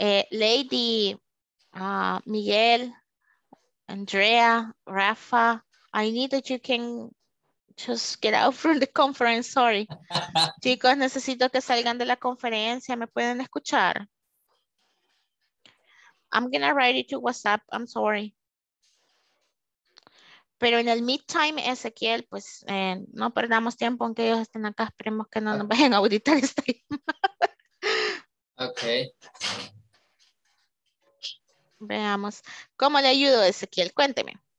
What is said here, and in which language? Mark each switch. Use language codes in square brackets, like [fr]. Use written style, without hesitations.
[en] Lady, Miguel, Andrea, Rafa, I need that you can just get out from the conference, sorry. [es] Chicos, necesito que salgan de la conferencia, ¿me pueden escuchar? [en] I'm gonna write it to WhatsApp, I'm sorry. [es] Pero en el midtime, Ezequiel, pues no perdamos tiempo aunque ellos estén acá. Esperemos que no nos vayan a auditar esta llamada. Ok. Veamos. ¿Cómo le ayudo, Ezequiel? Cuénteme.